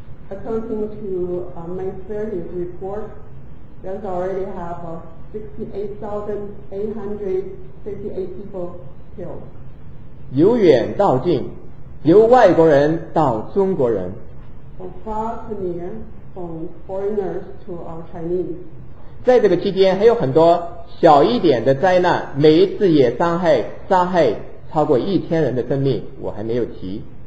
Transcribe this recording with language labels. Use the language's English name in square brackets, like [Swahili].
[English] According to May 30th report, there's already have 68,858 people killed. [Chinese] 由远到近，由外国人到中国人。 [English] From far to near, from foreigners to our Chinese. [Chinese] 在这个期间，还有很多小一点的灾难，每一次也伤害超过1,000人的生命，我还没有提。